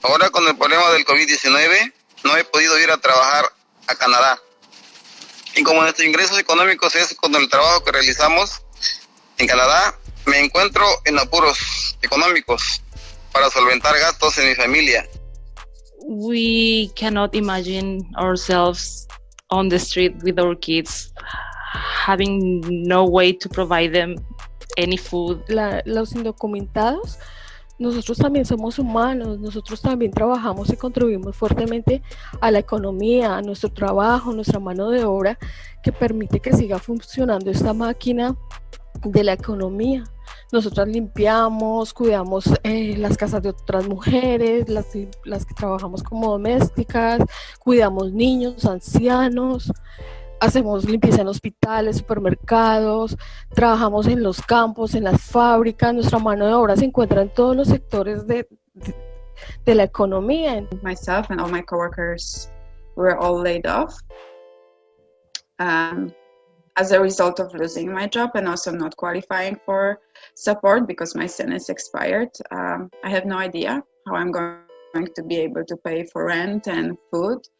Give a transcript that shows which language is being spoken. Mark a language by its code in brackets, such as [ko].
[es] Ahora con el problema del COVID-19 no he podido ir a trabajar a Canadá. Y como nuestros ingresos económicos es con el trabajo que realizamos en Canadá, me encuentro en apuros económicos para solventar gastos en mi familia. [en] We cannot imagine ourselves on the street with our kids, having no way to provide them any food. [es] Los indocumentados, nosotros también somos humanos, nosotros también trabajamos y contribuimos fuertemente a la economía, a nuestro trabajo, nuestra mano de obra, que permite que siga funcionando esta máquina de la economía. Nosotras limpiamos, cuidamos las casas de otras mujeres, las que trabajamos como domésticas, cuidamos niños, ancianos. Hacemos limpieza en hospitales, supermercados, trabajamos en los campos, en las fábricas. Nuestra mano de obra se encuentra en todos los sectores de la economía. [en] Myself and all my coworkers were all laid off as a result of losing my job and also not qualifying for support because my SIN is expired. I have no idea how I'm going to be able to pay for rent and food.